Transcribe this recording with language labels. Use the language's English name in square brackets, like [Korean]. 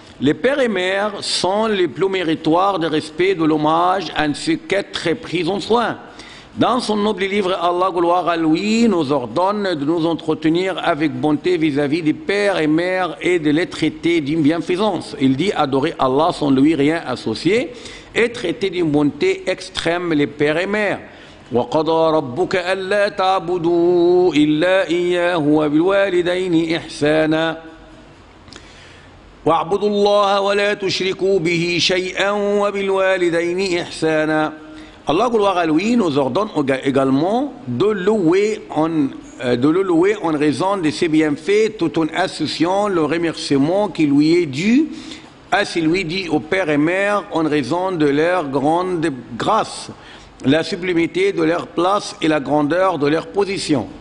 [French] Les pères et mères sont les plus méritoires de respect, de l'hommage, ainsi qu'être pris en soin. Dans son noble livre, Allah, gloire à lui, nous ordonne de nous entretenir avec bonté vis-à-vis des pères et mères et de les traiter d'une bienfaisance. Il dit adorer Allah sans lui rien associer et traiter d'une bonté extrême les pères et mères. [Arabic] وقضى ربك ألا تعبدوا إلا إياه وبالوالدين إحسانا واعبدوا الله ولا تشركوا به شيئا وبالوالدين إحسانا. [French] Allah, gloire à lui, nous ordonne également de louer en raison de ses bienfaits tout en associant le remerciement qui lui est dû à celui dit aux pères et mères en raison de leur grande grâce, la sublimité de leur place et la grandeur de leur position.